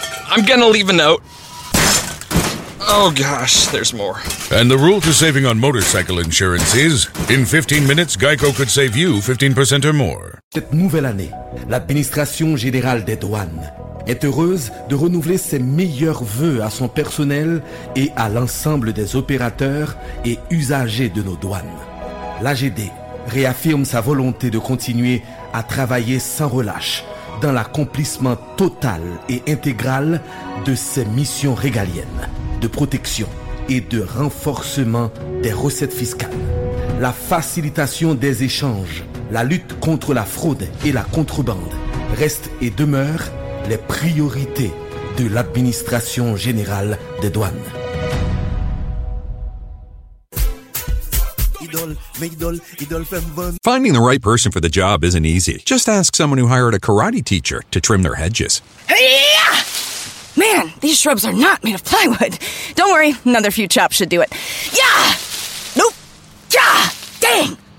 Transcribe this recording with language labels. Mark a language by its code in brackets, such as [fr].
[en] I'm gonna leave a note. Oh, gosh, there's more. And the rule to saving on motorcycle insurance is, in 15 minutes, Geico could save you 15% or more. [fr] Cette nouvelle année, l'administration générale des douanes est heureuse de renouveler ses meilleurs vœux à son personnel et à l'ensemble des opérateurs et usagers de nos douanes. L'AGD réaffirme sa volonté de continuer à travailler sans relâche dans l'accomplissement total et intégral de ses missions régaliennes. De protection et de renforcement des recettes fiscales. La facilitation des échanges, la lutte contre la fraude et la contrebande restent et demeurent les priorités de l'administration générale des douanes. [en] Finding the right person for the job isn't easy. Just ask someone who hired a karate teacher to trim their hedges. Hey-ya! Man, these shrubs are not made of plywood. Don't worry, another few chops should do it. Yeah! Nope! Yeah! Dang!